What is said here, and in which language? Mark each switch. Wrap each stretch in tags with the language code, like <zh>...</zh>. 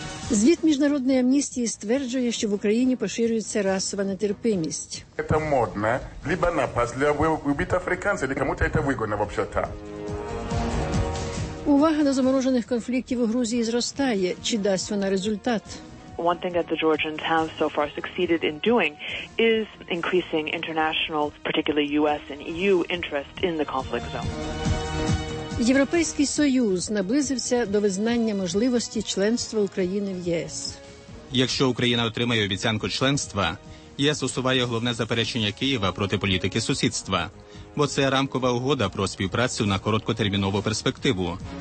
<uk>Звіт Міжнародної амністії стверджує, що в Україні поширюється расова нетерпимість. Це модно. Либо напас, либо вбити африканця, або кому-то це вигодно, взагалі. Увага до заморожених конфліктів у Грузії зростає. Чи дасть вона результат?</uk> <en>One thing that the Georgians have so far succeeded in doing is increasing international, particularly US and EU, interest in the conflict zone.</en> <uk>Європейський Союз наблизився до визнання можливості членства України в ЄС. Якщо Україна отримає обіцянку членства, ЄС усуває головне заперечення Києва проти політики сусідства, бо це рамкова угода про співпрацю на короткотермінову перспективу.</uk>